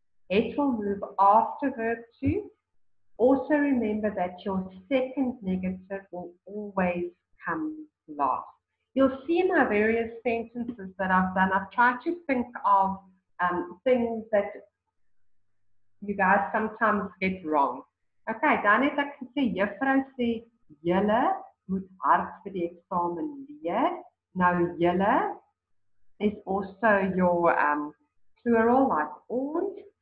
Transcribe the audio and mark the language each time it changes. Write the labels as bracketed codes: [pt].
[en] It will move after verb 2. Also remember that your second negative will always come last. You'll see in my various sentences that I've done, I've tried to think of things that you guys sometimes get wrong. [af] Okay, dan het ek gesê, juffrou sê, julle moet hard vir die eksamen leer. Nou, julle is [en] also your plural, like ons.